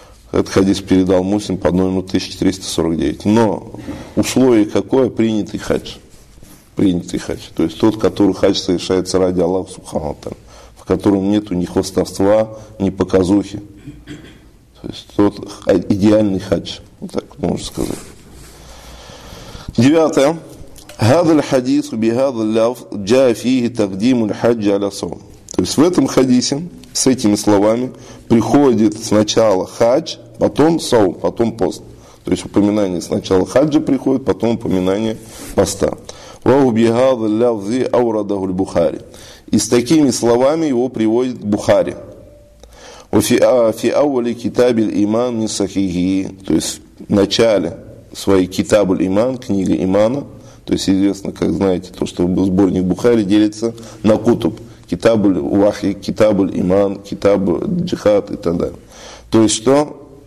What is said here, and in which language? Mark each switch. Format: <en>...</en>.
<ru>Этот хадис передал Муслим под номером 1349. Но условие какое? Принятый хадж. Принятый хадж. То есть тот, который хадж совершается ради Аллаха Субхану ва Тааля, в котором нет ни хвастовства, ни показухи. То есть тот идеальный хадж. Вот так можно сказать. Девятое.</ru> <ar>هذا الحديث بهذا اللفظ جاء فيه تقديم الحج على الصوم.</ar> <ru>То есть в этом хадисе с этими словами приходит сначала хадж, потом саум, потом пост. То есть упоминание сначала хаджа приходит, потом упоминание поста.</ru> <ar>وهو بهذا اللفظ أورده البخاري.</ar> <ru>И с такими словами его приводит Бухари.</ru> <ar>وفي أول كتاب الإيمان من صحيحه.</ar> <ru>То есть в начале своей Китаб аль-Иман, книги имана. То есть известно, как знаете, то, что сборник Бухари делится на кутуб. Китабуль Вахи, Китабуль Иман, Китабуль Джихад и так далее. То есть что?</ru>